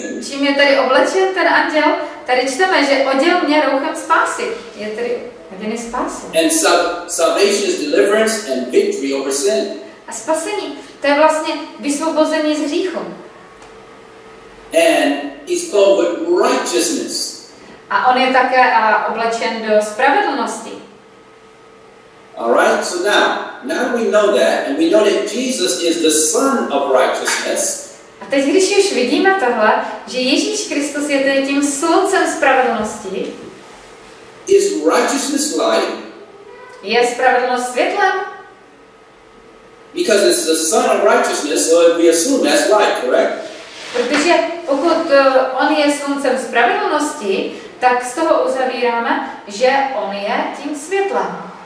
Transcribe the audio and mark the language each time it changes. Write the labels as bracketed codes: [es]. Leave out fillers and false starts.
[cs] Čím je tady oblečen ten anděl? Tady čteme, že oděl mě rouchem spásy. Je tady hodiny spásy. [en] And salvation is deliverance and victory over sin. [cs] A spasení, to je vlastně vysvobození z hříchu. [en] And he's clothed with righteousness. [cs] A on je také oblečen do spravedlnosti. [en] All right, so now we know that, and we know that Jesus is the Son of Righteousness. [cs] A teď, když už vidíme tohle, že Ježíš Kristus je tedy tím sluncem spravedlnosti, [en] is righteousness light? [cs] Je spravedlnost světlem? [en] Because it's the Son of Righteousness, so we assume that's light, correct? [cs] Protože pokud on je sluncem spravedlnosti, tak z toho uzavíráme, že on je tím světlem.